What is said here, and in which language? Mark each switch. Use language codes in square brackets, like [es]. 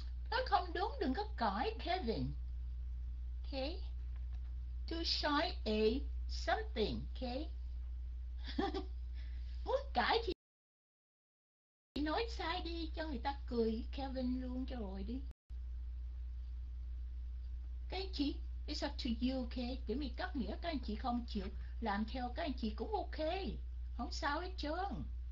[vi] Nó không đúng, đừng có cãi Kevin. Okay. [en] Too shy a something. Okay. [vi] Muốn cãi thì chị nói sai đi cho người ta cười Kevin luôn cho rồi đi. Các anh chị, [en] it's up to you, ok? [vi] Để mình cắt nghĩa các anh chị không chịu làm theo các anh chị cũng ok. Không sao hết trơn.